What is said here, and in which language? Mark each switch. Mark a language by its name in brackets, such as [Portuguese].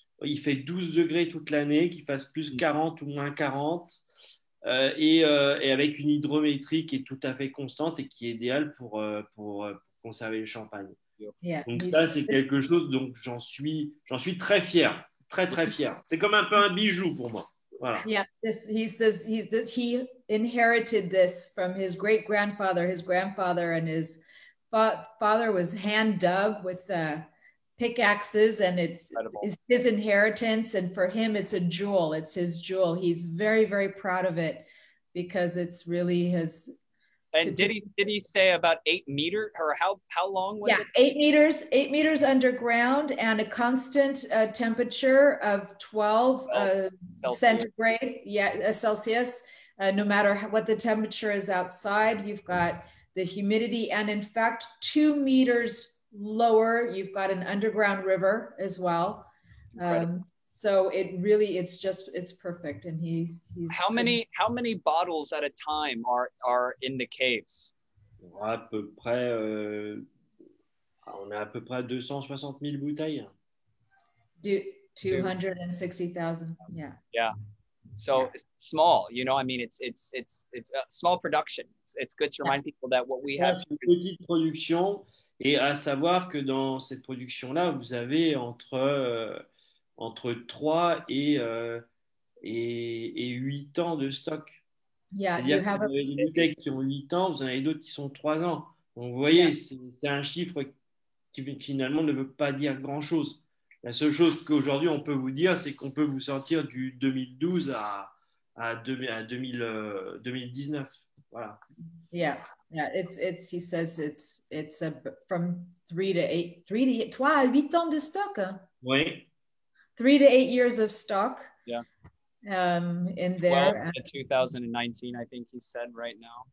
[French] Il fait 12 degrés toute l'année, qu'il fasse plus 40 ou moins 40. Et avec une hydrométrie qui est tout à fait constante et qui est idéale pour conserver le champagne. [English] Yeah. [French] Donc ça, c'est quelque chose dont j'en suis très fier, très très fier. C'est comme un peu un bijou pour moi. Voilà. [English] Yeah, he inherited this from his great grandfather. His grandfather and his father was hand dug with pickaxes, and it's his inheritance, and for him it's a jewel. It's his jewel. He's very, very proud of it because it's really his. And did he say about 8 meters, or how long was it? 8 meters, 8 meters underground, and a constant temperature of 12 centigrade, Celsius, no matter what the temperature is outside. You've got the humidity, and in fact 2 meters lower, you've got an underground river as well. So it really, it's perfect. And he's how many bottles at a time are in the caves? [French] À peu près, on a à peu près 260,000 bouteilles. [English] 260,000. Yeah. Yeah. So it's small, you know. I mean, it's a small production. It's good to remind people that what we have. [French] Une petite production. Et à savoir que dans cette production-là, vous avez entre 3 et et 8 ans de stock. [English] Yeah, [French] c'est-à-dire que vous avez des bouteilles qui ont 8 ans, vous en avez d'autres qui sont 3 ans. Donc vous voyez, c'est un chiffre qui finalement ne veut pas dire grand-chose. La seule chose qu'aujourd'hui on peut vous dire, c'est qu'on peut vous sortir du 2012 à 2019. Voilà. [English] Yeah, it's he says it's a from [French] 8 ans de stock. Oui. [English] 3 to 8 years of stock. Yeah. In there. 2019, I think he said right now.